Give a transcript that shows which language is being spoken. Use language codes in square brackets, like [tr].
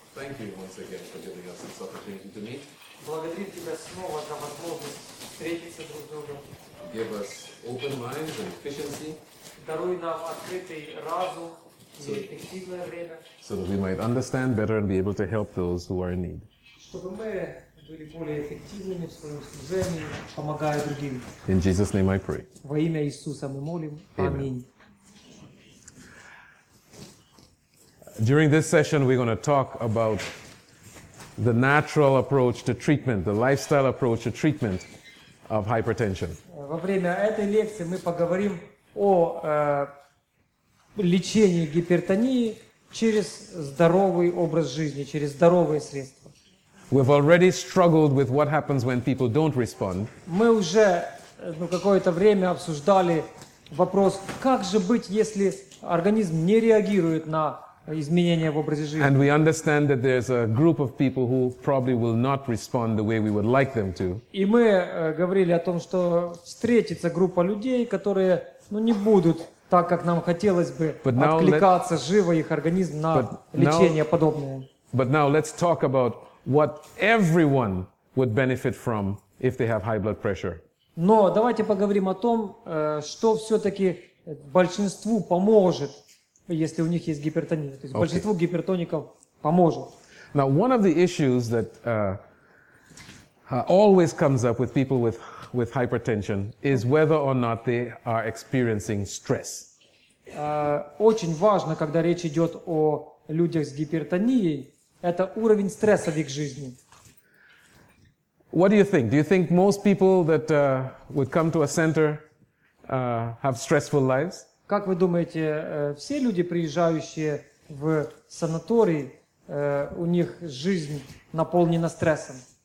[en] Thank you once again for giving us this opportunity to meet. [ru] Благодарим тебя снова за возможность встретиться друг с другом. [en] Give us open minds and efficiency. [ru] Даруй нам открытый разум и эффективное время. [en] So that we might understand better and be able to help those who are in need. [ru] Чтобы мы были более эффективными в своем служении, помогая другим. [en] In Jesus' name I pray. [ru] Во имя Иисуса мы молим. Аминь. [en] During this session, we're going to talk about the natural approach to treatment, the lifestyle approach to treatment of hypertension. [ru] Во время этой лекции мы поговорим о лечении гипертонии через здоровый образ жизни, через здоровые средства. [en] We've already struggled with what happens when people don't respond. [ru] Мы уже какое-то время обсуждали вопрос, как же быть, если организм не реагирует на изменения в образе жизни. [en] And we understand that there's a group of people who probably will not respond the way we would like them to. [ru] И мы говорили о том, что встретится группа людей, которые, не будут так, как нам хотелось бы, откликаться живо их организм на лечение подобное. [en] But now let's talk about what everyone would benefit from if they have high blood pressure. [ru] Но давайте поговорим о том, что все-таки большинству поможет, если у них есть гипертония. То есть okay. Большинству гипертоников поможет. [en] Now, one of the issues that always comes up with people with hypertension is whether or not they are experiencing stress. [ru] Очень важно, когда речь идет о людях с гипертонией, это уровень стресса в их жизни. [en] What do you think? Do you think most people that would come to a center have stressful lives? [ru] Как вы думаете, все люди, приезжающие в санаторий, у них жизнь наполнена стрессом?